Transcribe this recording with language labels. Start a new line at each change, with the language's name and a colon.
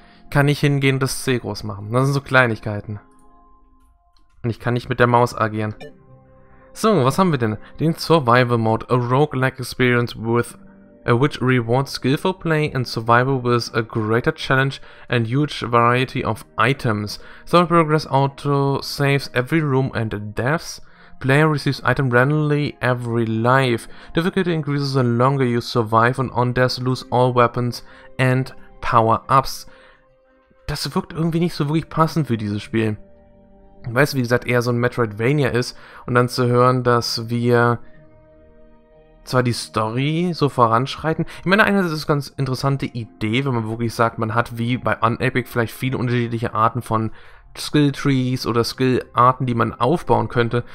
German: Kann ich hingehen und das C groß machen. Das sind so Kleinigkeiten. Und ich kann nicht mit der Maus agieren. So, was haben wir denn? Den Survival Mode.
English: A roguelike experience with a which rewards skillful play and survival with a greater challenge and huge variety of items. Story progress auto saves every room and deaths. Player receives item randomly every life. Difficulty increases the longer you survive and on death lose all weapons and power-ups.
German: Das wirkt irgendwie nicht so wirklich passend für dieses Spiel. Weißt du, wie gesagt, eher so ein Metroidvania ist. Und dann zu hören, dass wir zwar die Story so voranschreiten. Ich meine, einerseits ist es eine ganz interessante Idee, wenn man wirklich sagt, man hat wie bei Unepic vielleicht viele unterschiedliche Arten von Skill-Trees oder Skill-Arten, die man aufbauen könnte.